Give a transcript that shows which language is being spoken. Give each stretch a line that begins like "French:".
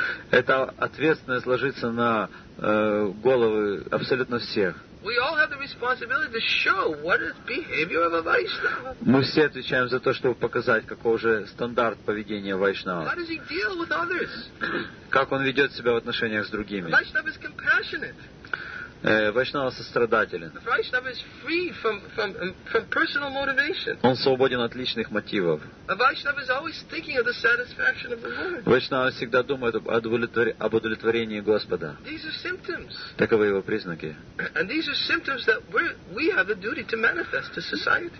Russian: Эта ответственность ложится на головы абсолютно всех.
English: We all have the responsibility to show what is behavior of a Vaishnava.
Russian: Мы все отвечаем за то, чтобы показать, какой же стандарт поведения вайшнава.
English: How does he deal with others?
Russian: Как он ведет себя в отношениях с другими?
English: Vaishnava is compassionate.
Russian: Вайшнава сострадателен.
English: Vaishnava is free from personal motivation.
Russian: Он свободен от личных мотивов.
English: A Vaishnava is always thinking of the satisfaction of the Lord.
Russian: Вайшнава всегда думает об удовлетворении Господа.
English: These are symptoms.
Russian: Таковы его признаки.
English: And these are symptoms that we have a duty to manifest to society.